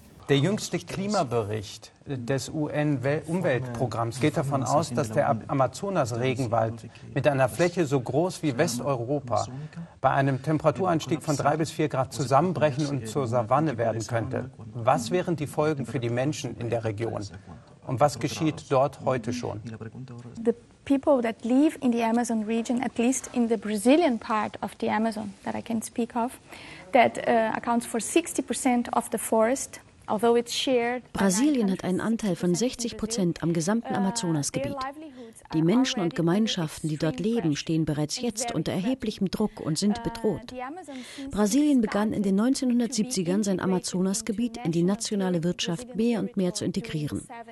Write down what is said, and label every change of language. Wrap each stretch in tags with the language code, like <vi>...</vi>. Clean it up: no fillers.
<de>Der jüngste Klimabericht des UN-Umweltprogramms geht davon aus, dass der Amazonas-Regenwald mit einer Fläche so groß wie Westeuropa bei einem Temperaturanstieg von 3 bis 4 Grad zusammenbrechen und zur Savanne werden könnte. Was wären die Folgen für die Menschen in der Region? Und was geschieht dort heute schon?</de> <en>The people that live in the Amazon region, at least in the Brazilian part of the Amazon that I can speak of, that accounts for 60% of the forest.</en> <de>Brasilien hat einen Anteil von 60% am gesamten Amazonasgebiet. Die Menschen und Gemeinschaften, die dort leben, stehen bereits jetzt unter erheblichem Druck und sind bedroht. Brasilien begann in den 1970ern, sein Amazonasgebiet in die nationale Wirtschaft mehr und mehr zu integrieren.</de>